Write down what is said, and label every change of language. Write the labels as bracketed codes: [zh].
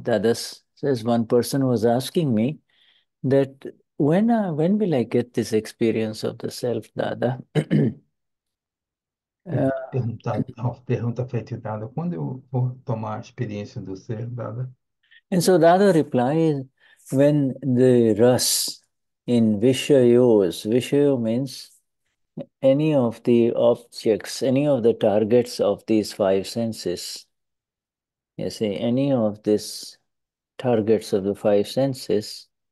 [en] Dada says one person was asking me that. When will I get this experience of the self, Dada? [pt] Pergunta feita e dada, quando eu vou tomar a experiência do ser dada? [en] And so Dada replies, when the Rus in vishayos, vishayo means any of the objects, any of the targets of these five senses, you see, any of these targets of the five senses.